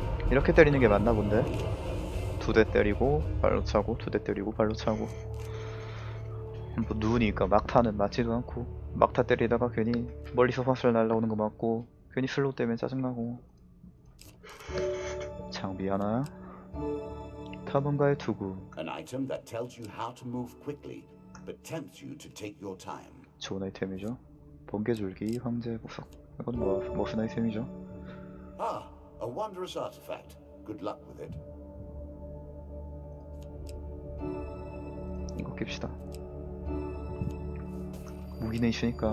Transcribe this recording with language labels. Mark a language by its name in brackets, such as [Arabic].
[Korean] 이렇게 때리는 게 맞나 본데? 두 대 때리고 발로 차고 두 대 때리고 발로 차고 뭐 누우니까 막타는 맞지도 않고 막타 때리다가 괜히 멀리서 화살 날라오는 거 맞고 괜히 슬로우 때문에 짜증나고. 장비 하나야? 타본가의 투구. [English] An item that tells you how to move quickly. But tempts you to take your time. [Korean] 좋은 아이템이죠. 번개 줄기, 황제 보석. 이건 뭐 무슨 아이템이죠? [English] Ah, a wondrous artifact. Good luck with it. [Korean] 이거 깁시다. 무기는 있으니까.